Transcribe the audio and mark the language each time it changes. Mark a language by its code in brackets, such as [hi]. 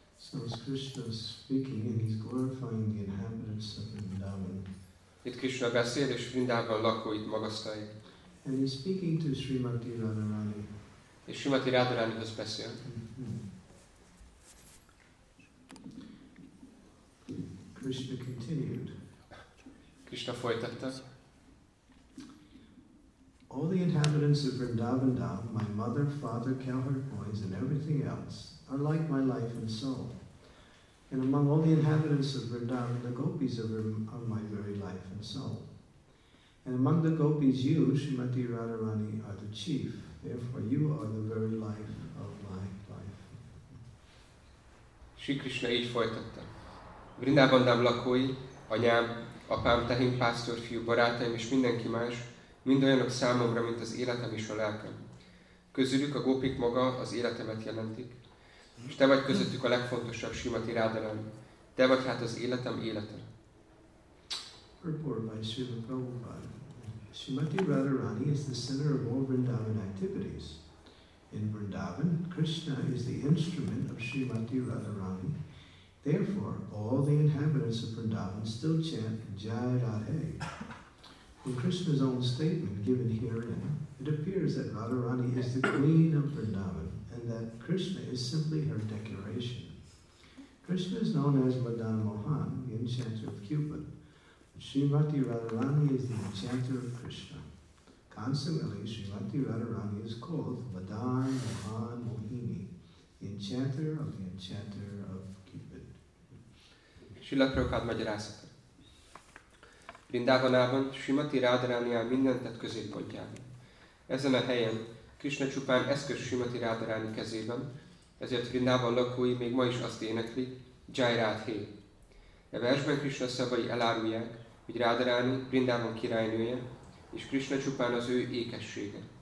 [en] So is Krishna speaking and he's glorifying the inhabitants of Vrindavan. [hu] Itt Krishna beszél és Vrindavan lakóit magasztalja. [en] And he's speaking to Srimati Radharani. [hu] És Srimati Radharani hoz beszél. [en] Krishna continued. [hu] Krishna folytatta. [en] All the inhabitants of Vrindavan Dham, my mother, father, cowherd boys and everything else are like my life and soul. And among all the inhabitants of Vrindavan, the gopis are my very life and soul. And among the gopis, you, Srimati Radharani, are the chief. Therefore, you are the very life of my life. [hu] Sri Krishna így folytatta. Vrindavan Dham lakói, anyám, apám, tehén, pásztor, fiú, barátaim és mindenki más, mindolyanok számomra, mint az életem és a lelkem. Közülük a gópik maga az életemet jelentik. És te vagy közöttük a legfontosabb Srimati Radharani. Te vagy hát az életem élete. [en] Purport by Srila Prabhupada. Srimati Radharani is the center of all Vrindavan activities. In Vrindavan, Krishna is the instrument of Srimati Radharani. Therefore, all the inhabitants of Vrindavan still chant Jai Radhe. From Krishna's own statement given herein, it appears that Radharani is the queen of Vrindavan and that Krishna is simply her decoration. Krishna is known as Madan Mohan, the enchanter of Cupid. Srimati Radharani is the enchanter of Krishna. Consequently, Srimati Radharani is called Madan Mohan Mohini, the enchanter of the enchanter of Cupid. [hu] Srila Prabhupada magyarázata. Vrindavanában Srimati Radharani áll mindentett középpontjában. Ezen a helyen Krishna csupán eszköz Srimati Radharani kezében, ezért Vrindavan lakói még ma is azt énekli, Jai Radhe. E versben Krishna szavai elárulják, hogy Radharani Vrindavan királynője, és Krishna csupán az ő ékessége.